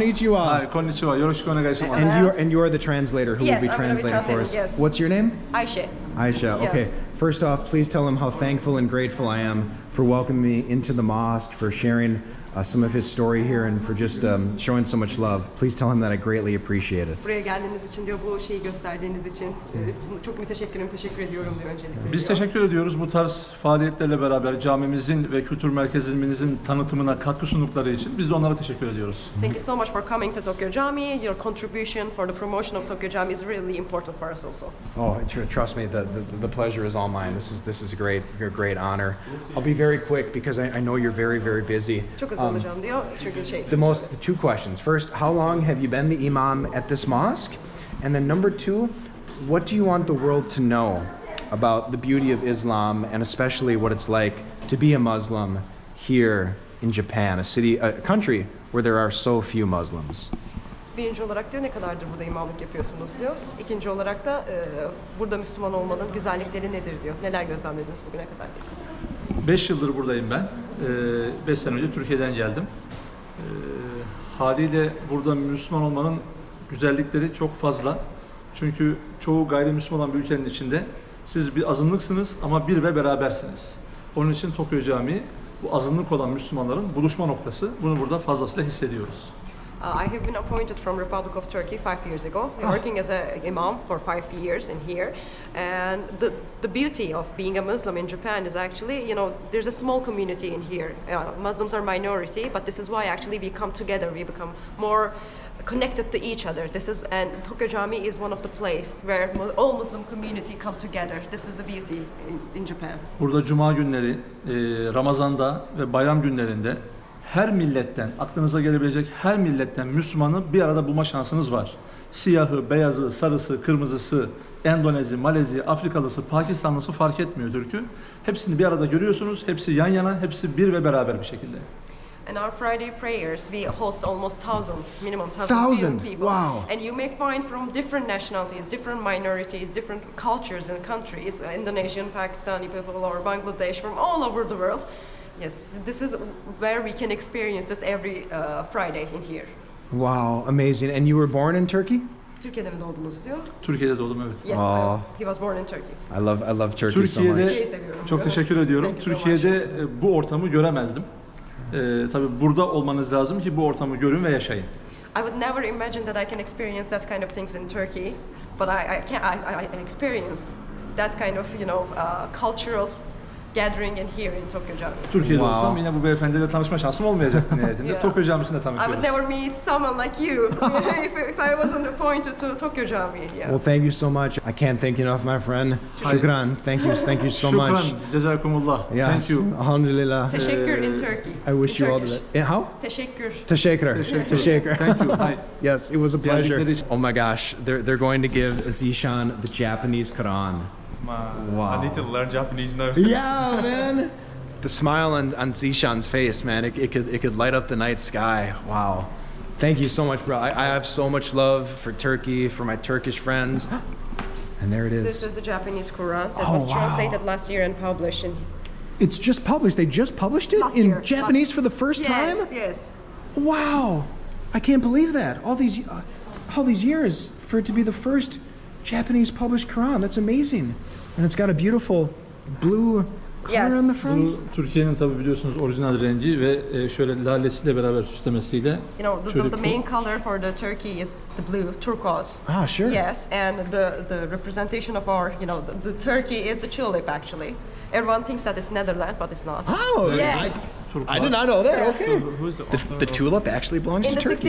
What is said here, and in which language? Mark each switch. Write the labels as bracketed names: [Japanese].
[Japanese] Konnichiwa. Konnichiwa. Yoroshiku onegaishimasu. [English] And you are the translator who yes, will be translating for us. Yes. What's your name? Aisha. Okay. Yeah. First off, please tell him how thankful and grateful I am for welcoming me into the mosque, for sharing some of his story here, and for just showing so much love. Please tell him that I greatly appreciate it. [Turkish] Buraya geldiğiniz için diyor, bu şeyi gösterdiğiniz için çok müteşekkirim, teşekkür ediyorum diyor öncelikle. Biz teşekkür ediyoruz bu tarz faaliyetlerle beraber camimizin ve kültür merkezimizin tanıtımına katkı sundukları için. Biz de onlara teşekkür ediyoruz. [English] Thank you so much for coming to Tokyo Jami. Your contribution for the promotion of Tokyo Jami is really important for us also. Oh, trust me, the pleasure is all mine. This is a great honor. I'll be very quick because I know you're very, very busy. The two questions. First, how long have you been the imam at this mosque? And then number two, what do you want the world to know about the beauty of Islam, and especially what it's like to be a Muslim here in Japan, a country where there are so few Muslims? [Turkish] Birinci olarak diyor, ne kadardır burada imamlık yapıyorsunuz diyor. İkinci olarak da burada Müslüman olmanın güzellikleri nedir diyor. Neler gözlemlediniz bugüne kadar diyorsun? 5 yıldır buradayım ben. 5 sene önce Türkiye'den geldim. Haliyle burada Müslüman olmanın güzellikleri çok fazla. Çünkü çoğu gayrimüslim olan bir ülkenin içinde siz bir azınlıksınız ama bir ve berabersiniz. Onun için Tokyo Camii bu azınlık olan Müslümanların buluşma noktası. Bunu burada fazlasıyla hissediyoruz. [English] I have been appointed from Republic of Turkey 5 years ago, working as an imam for 5 years in here. And the beauty of being a Muslim in Japan is actually, you know, there's a small community in here. Muslims are minority, but this is why actually we come together, we become more connected to each other. And Tokyo Jami is one of the place where all Muslim community come together. This is the beauty in Japan. [Turkish] Burada cuma günleri, Ramazan'da ve bayram günlerinde her milletten, aklınıza gelebilecek her milletten Müslümanı bir arada bulma şansınız var. Siyahı, beyazı, sarısı, kırmızısı, Endonezi, Malezi, Afrikalısı, Pakistanlısı fark etmiyor Türk'ü. Hepsini bir arada görüyorsunuz, hepsi yan yana, hepsi bir ve beraber bir şekilde. [English] And our Friday prayers, we host almost 1,000, minimum 1,000 people. Wow. And you may find from different nationalities, different minorities, different cultures and countries, Indonesian, Pakistani people or Bangladesh, from all over the world. Yes, this is where we can experience this every Friday in here. Wow, amazing. And you were born in Turkey? [Turkish] Türkiye'de mi doğdunuz diyor. Türkiye'de doğdum, evet. [English] Yes, oh. He was born in Turkey. I love Turkey [Turkish] Türkiye'de, [English] so much. [Turkish] Türkiye'de çok teşekkür ediyorum. Türkiye'de bu ortamı göremezdim. Tabii burada olmanız lazım ki bu ortamı görün ve yaşayın. [English] I would never imagine that I can experience that kind of things in Turkey, but I experience that kind of, you know, cultural gathering in here in Tokyo Jami. [Turkish] Türkiye'de wow. Olsam yine bu beyefendiyle tanışma şansım olmayacaktı nihayetinde. Yeah. Tokyo Jami'sinde tanışıyoruz. [English] I would never meet someone like you if I wasn't appointed to Tokyo Jami. Yeah. Well, thank you so much. I can't thank you enough, my friend. Şükran. Thank you so much. [Turkish] Şükran. Cezakumullah. [English] Yes. Thank you. Alhamdulillah. Teşekkür in Turkey. I wish you all the best. How? Teşekkür. Teşekkür. Thank you. Hi. Yes, it was a pleasure. Oh my gosh, they're going to give Zeeshan the Japanese Quran. Wow. I need to learn Japanese now. Yeah, man. The smile on Zeeshan's face, man, it could light up the night sky. Wow. Thank you so much, bro. I have so much love for Turkey, for my Turkish friends. And there it is. This is the Japanese Quran that was translated last year and published. And it's just published. They just published it last in year. Japanese last for the first yes, time? Yes, yes. Wow. I can't believe that. All these years for it to be the first Japanese published Quran. That's amazing. And it's got a beautiful blue color on the front. [Turkish] Türkiye'nin tabii biliyorsunuz orijinal rengi ve şöyle lalesiyle beraber süslemesiyle. [English] You know, the main color for the turkey is the blue, turquoise. Ah, sure. Yes, and the representation of our, you know, the turkey is the tulip actually. Everyone thinks that it's Netherlands, but it's not. Oh, yes. I did not know that. Yeah. Okay. The tulip actually belongs to Turkey.